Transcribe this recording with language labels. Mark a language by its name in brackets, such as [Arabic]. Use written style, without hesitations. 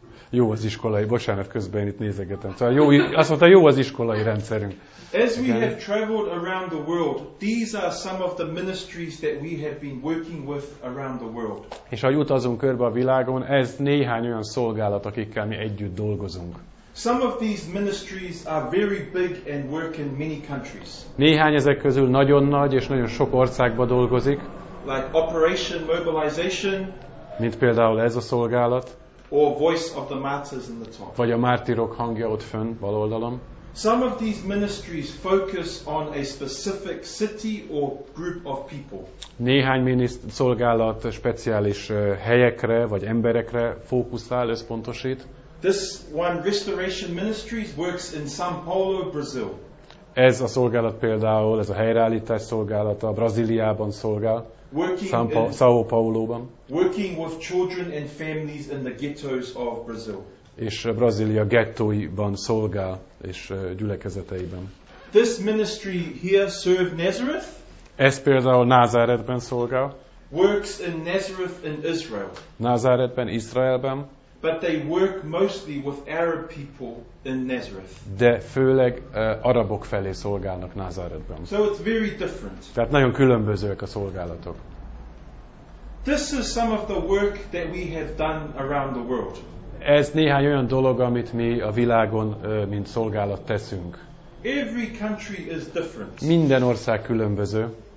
[Hungarian] Jó az iskolai, bocsánat, közben itt nézegetem. Szóval jó, azt mondta, jó az iskolai rendszerünk. [English] As we have traveled around the world, these are some of the ministries that we have been working with around the world. [Hungarian] És ahogy utazunk körbe a világon, ez néhány olyan szolgálat, akikkel mi együtt dolgozunk. [English] Some of these ministries are very big and work in many countries. [Hungarian] Néhány ezek közül nagyon nagy és nagyon sok országban dolgozik. [English] Like Operation Mobilization. [Hungarian] Mint például ez a szolgálat. [English] Or Voice of the Martyrs in the top. [Hungarian] Vagy a mártirok hangja ott fönn, bal oldalon. [English] Some of these ministries focus on a specific city or group of people. [Hungarian] Néhány szolgálat speciális helyekre vagy emberekre fókuszál, összpontosít. [English] This one Restoration Ministries works in São Paulo, Brazil. [Hungarian] Ez a szolgálat például, ez a helyreállítás szolgálata Brazíliában szolgál. São Paulo-ban. [English] Working with children and families in the ghettos of Brazil. [Hungarian] És Brazília gettóiban szolgál és gyülekezeteiben. [English] This ministry here serve Nazareth. [Hungarian] Ez például Názáretben szolgál. [English] Works in Nazareth in Israel. [Hungarian] Názáretben, Izraelben. [English] But they work mostly with Arab people in Nazareth. [Hungarian] De főleg arabok felé szolgálnak Názáretben. [English] So it's very different. [Hungarian] Tehát nagyon különbözőek a szolgálatok. [English] This is some of the work that we have done around the world. [Hungarian] Ez néhány olyan dolog, amit mi a világon, mint szolgálat teszünk. [English] Every country is different. [Hungarian] Minden ország különböző.